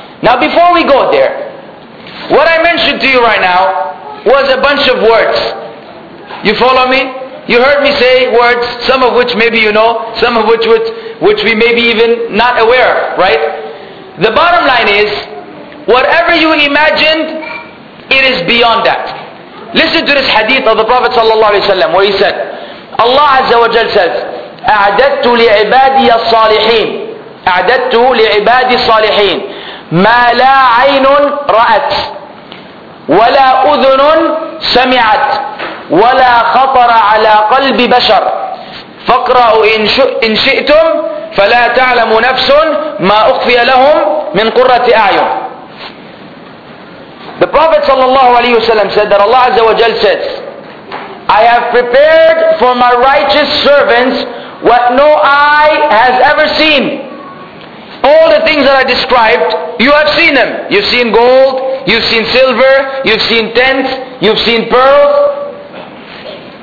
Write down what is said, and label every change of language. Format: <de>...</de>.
<en>Now before we go there, what I mentioned to you right now was a bunch of words. You follow me? You heard me say words, some of which maybe you know, some of which we may be even not aware of, right? The bottom line is, whatever you imagined, it is beyond that. Listen to this hadith of the Prophet sallallahu alaihi wasallam, where he said, Allah Azza wa Jal says,</en> <ar>أَعْدَدْتُ لِعِبَادِيَ الصَّالِحِينَ أَعْدَدْتُ لِعِبَادِي الصَّالِحِينَ مَا لَا عَيْنٌ رَأَتْ وَلَا أُذُنٌ سَمِعَتْ وَلَا خَطَرَ عَلَى قَلْبِ بَشَرٍ فَاقْرَأُوا إِنْ شِئْتُمْ فَلَا تَعْلَمُ نَفْسٌ مَا أُخْفِيَ لَهُمْ مِنْ قُرَّةِ أَعْيُنٍ.</ar> <en>The Prophet sallallahu alayhi wa sallam said that Allah Azza wa Jal says, I have prepared for my righteous servants what no eye has ever seen. All the things that I described, you have seen them. You've seen gold, you've seen silver, you've seen tents, you've seen pearls.</en>